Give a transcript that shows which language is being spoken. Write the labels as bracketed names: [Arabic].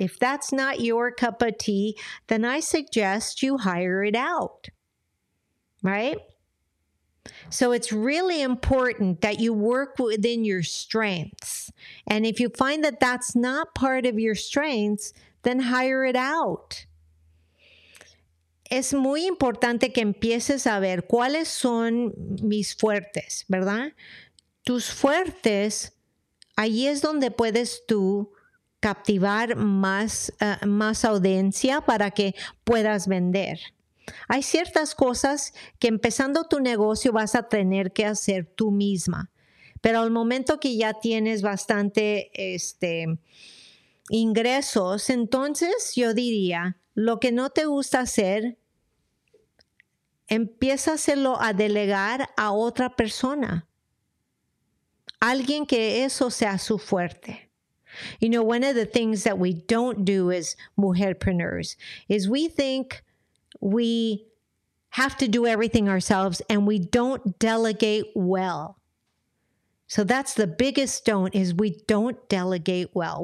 [English] If that's not your cup of tea, then I suggest you hire it out, right? So it's really important that you work within your strengths. And if you find that that's not part of your strengths, then hire it out. [Spanish] Es muy importante que empieces a ver cuáles son mis fuertes, ¿verdad? Tus fuertes, ahí es donde puedes tú captivar más audiencia para que puedas vender. Hay ciertas cosas que empezando tu negocio vas a tener que hacer tú misma. Pero al momento que ya tienes bastante ingresos, entonces yo diría, lo que no te gusta hacer, empieza a hacerlo a delegar a otra persona. Alguien que eso sea su fuerte. [English] You know, one of the things that we don't do as mujerpreneurs is we think we have to do everything ourselves and we don't delegate well. So that's the biggest don't, is we don't delegate well.